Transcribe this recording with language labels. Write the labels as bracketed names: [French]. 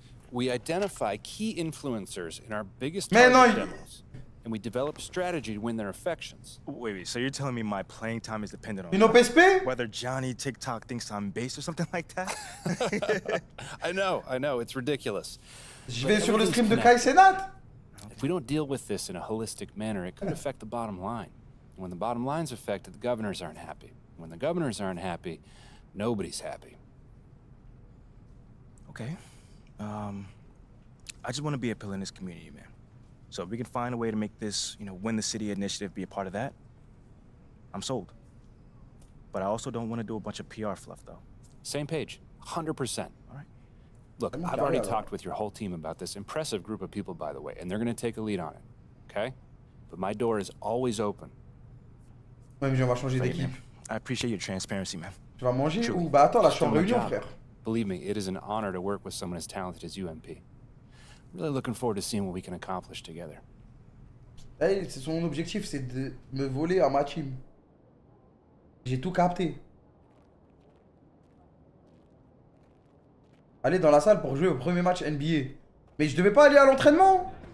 [English] We identify key influencers in our biggest demos, and we develop a strategy to win their affections. Wait, so you're telling me my playing time is dependent on you know PSP? Whether Johnny TikTok thinks I'm base or something like that? I know, it's ridiculous. [French] Je vais sur le stream de Kai Senat. [English] It we don't deal with this in a holistic manner, it could affect the bottom line. When the bottom line's affected, the governors aren't happy. When the governors aren't happy, nobody's happy. Okay. I just want to be a pillar in this community, man. So if we can find a way to make this, you know, Win the City initiative be a part of that, I'm sold. But I also don't want to do a bunch of PR fluff, though. Same page. 100%. All right. Look, I've already talked with your whole team about this. Impressive group of people, by the way, and they're going to take a lead on it. Okay? But my door is always open. [French] Ouais, mais on va changer d'équipe. [English] I appreciate your transparency, man. [French] Tu vas manger ou bah attends, là, je suis en réunion, frère. [English] Believe me, it is an honor to work with someone as talented as you, MP. I'm really looking forward to seeing what we can accomplish together. [French] Hey, c'est son objectif, c'est de me voler à ma team. J'ai tout capté. Aller dans la salle pour jouer au premier match NBA. Mais je devais pas aller à l'entraînement.